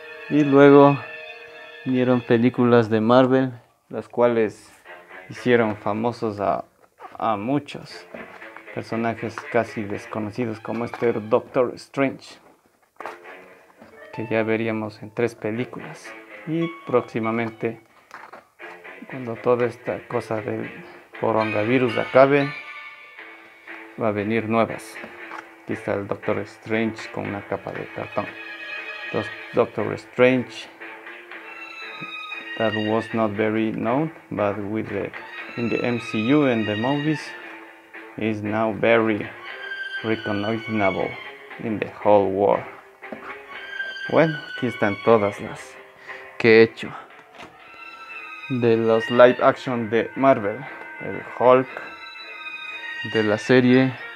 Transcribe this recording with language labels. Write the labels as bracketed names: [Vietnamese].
[Spanish] Y luego vinieron películas de Marvel, las cuales hicieron famosos a muchos personajes casi desconocidos, como este Doctor Strange, que ya veríamos en 3 películas, y próximamente, cuando toda esta cosa del coronavirus acabe, va a venir nuevas. Aquí está el Doctor Strange con una capa de cartón. [English] Doctor Strange that was not very known, but with the in the MCU and the movies is now very recognizable in the whole world. [Spanish] Bueno, aquí están todas las que he hecho de los live action de Marvel. El Hulk de la serie